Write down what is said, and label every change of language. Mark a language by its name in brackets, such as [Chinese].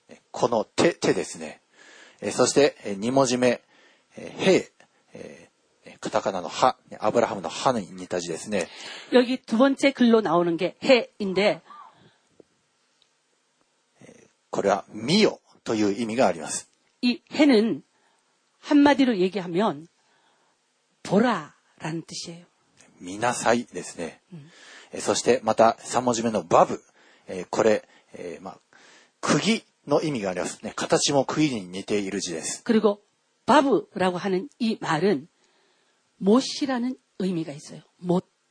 [Japanese] この手、手ですね。そして、2文字目、へ、カタカナのは、アブラハムのはの似た字ですね。 [Korean] 여기두번째글로나오는게へ인데、 [Japanese] これは見よという意味があります。 [Korean] 이へ는、한마디로얘기하면、보라라는뜻이에요。 [Japanese] 見なさいですね。そして、また3文字目のバブ。これ、まあ、釘の意味がありますね。形も釘に似ている字です。 [Korean] 그리고バブ라고하는이말은못이라는의미가있어요。못。